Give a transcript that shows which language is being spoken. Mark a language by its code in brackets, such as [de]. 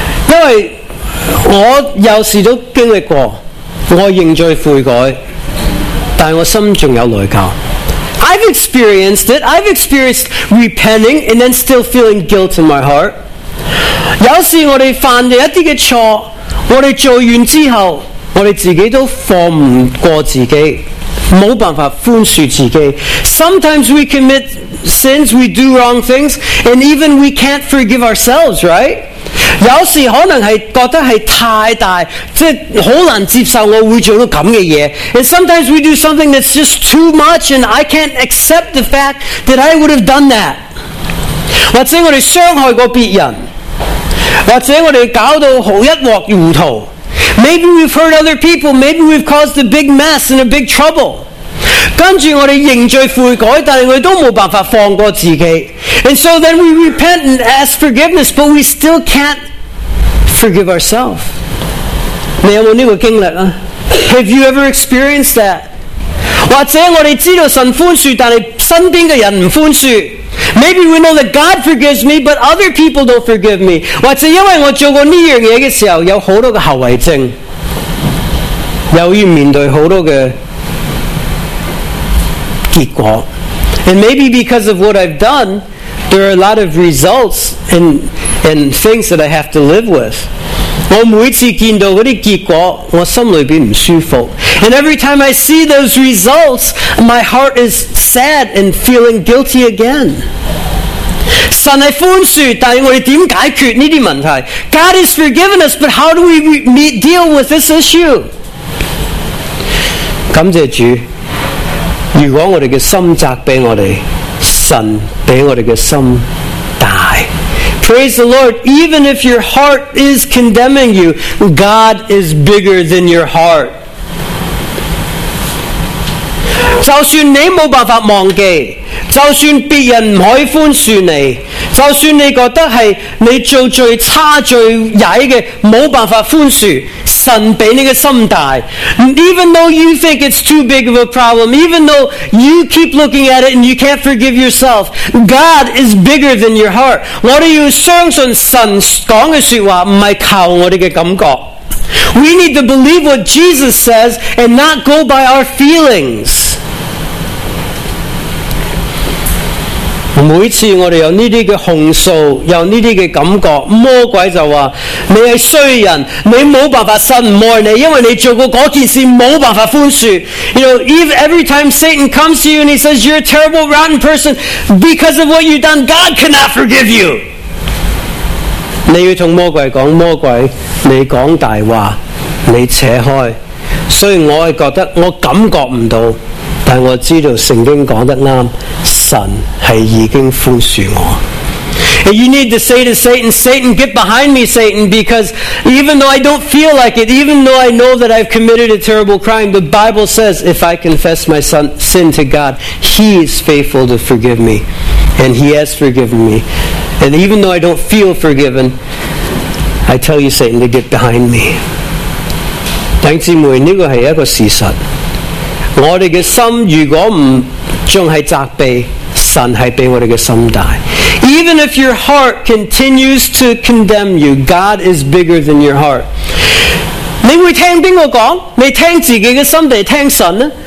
[yue] 因为我有时都经历过，我认罪悔改，但我心仲有内疚。 [en] I've experienced it. I've experienced repenting and then still feeling guilt in my heart. [yue] 有时我哋犯咗一啲嘅错，我哋做完之后，我哋自己都放唔过自己，冇办法宽恕自己。 [en] Sometimes we commit sins, we do wrong things, and even we can't forgive ourselves, right? [yue] 有时可能是觉得是太大，即是很难接受我会做到这样的事。 [en] And sometimes we do something that's just too much, and I can't accept the fact that I would have done that. [yue] 或者我们伤害过别人，或者我们搞到一锅糊涂。 [en] Maybe we've hurt other people, maybe we've caused a big mess and a big trouble. [yue] 跟住我哋认罪悔改，但系我哋都冇办法放过自己。 [en] And so then we repent and ask forgiveness, but we still can't forgive ourselves. [yue] 你有冇呢个经历啊 [en] ？Have you ever experienced that? [yue] 或者我哋知道神宽恕，但系身边嘅人唔宽恕。 [en] Maybe we know that God forgives me, but other people don't forgive me. [yue] 或者因为我做过呢样嘢嘅时候，有好多嘅后遗症，又要面对好多嘅。 [en] And maybe because of what I've done, there are a lot of results and things that I have to live with. [yue] 我每次见到嗰啲结果，我心里边唔舒服。 [en] And every time I see those results, my heart is sad and feeling guilty again. [yue] 神系宽恕，但系我哋点解决呢啲问题 [en] ？God has forgiven us, but how do we deal with this issue? [yue] 感谢主。如果我们的心责备我们，神比我们的心大。 [en] Praise the Lord, even if your heart is condemning you, God is bigger than your heart. [yue] 就算你没办法忘记，就算别人不可以宽恕你，就算你觉得是你做最差最歹的，没办法宽恕，神比你的心大。 [en] Even though you think it's too big of a problem, even though you keep looking at it and you can't forgive yourself, God is bigger than your heart. [yue] 我们要相信神讲的说话，不是靠我们的感觉。 [en] We need to believe what Jesus says and not go by our feelings. [yue] 每次我们有这些控诉，有这些感觉，魔鬼就说你是衰人，你没办法神不爱你，因为你做过那件事没办法宽恕。 [en] You know, every time Satan comes to you and he says you're a terrible rotten person because of what you've done, God cannot forgive you. [yue] 你要跟魔鬼说，魔鬼你说大话，你扯开，虽然我是觉得我感觉不到，但我知道圣经讲得啱，神系已经宽恕我。 [en] You need to say to Satan, Satan, get behind me, Satan, because even though I don't feel like it, even though I know that I've committed a terrible crime, the Bible says if I confess my sin to God, He is faithful to forgive me, and He has forgiven me. And even though I don't feel forgiven, I tell you, Satan, to get behind me. [yue] 弟兄姊妹，这个是一个事实。我们的心如果不还是责备，神是比我们的心大。 [en] Even if your heart continues to condemn you, God is bigger than your heart. [yue] 你会听谁说？你听自己的心还是听神呢？